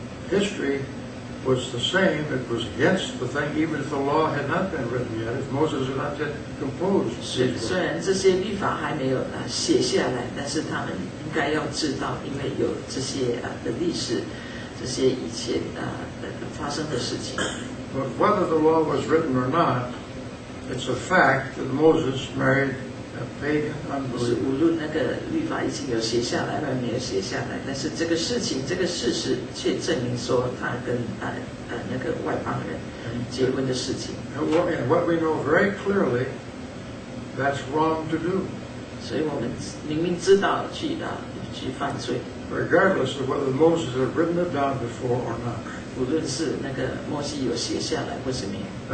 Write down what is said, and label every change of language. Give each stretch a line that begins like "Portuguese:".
English: History was the same, it was against the thing, even if the law had not been written yet, if Moses had not yet composed.
Chinese: 虽然这些律法还没有写下来，但是他们应该要知道，因为有这些历史，这些以前发生的事情。
English: But whether the law was written or not, it's a fact that Moses married a pagan unbeliever.
Chinese: 无论那个律法已经有写下来，还没有写下来，但是这个事情，这个事实却证明说他跟那个外邦人结婚的事情。
English: And what we know very clearly, that's wrong to do.
Chinese: 所以我们明明知道去犯罪。
English: regardless of whether Moses had written it down before or not.
Chinese: 无论是那个摩西有写下来或是没有。